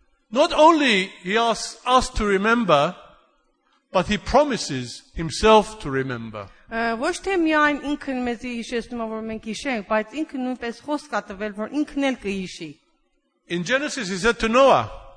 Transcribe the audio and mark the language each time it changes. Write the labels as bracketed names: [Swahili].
[English] Not only he asks us to remember, but he promises himself to remember. [Armenian] Ոչ թե միայն ինքն մեզի հիշեցնում է, որ մենք հիշենք, բայց ինքն նույնպես խոսք է տվել, որ ինքն էլ կհիշի. [English] In Genesis he said to Noah.